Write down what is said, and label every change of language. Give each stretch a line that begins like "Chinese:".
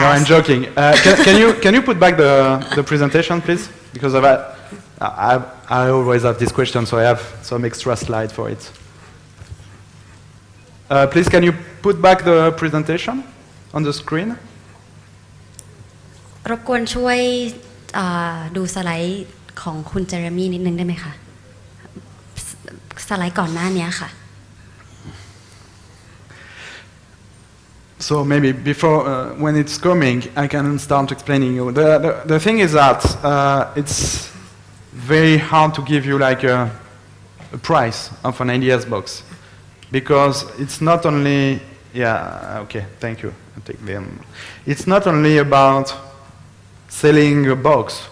English: No, I'm joking. Can you put back the presentation, please? Because I always have this question, so I have some extra slide for it. Please, can you put back the presentation on the screen?
Thai: รบกวนช่วยดูสไลด์ของคุณเจเรมี่นิดนึงได้ไหมคะ สไลด์ก่อนหน้านี้ค่ะ
English: So maybe before, when it's coming, I can start explaining you. The thing is that it's very hard to give you like a price of an ideas box because it's not only, it's not only about selling a box.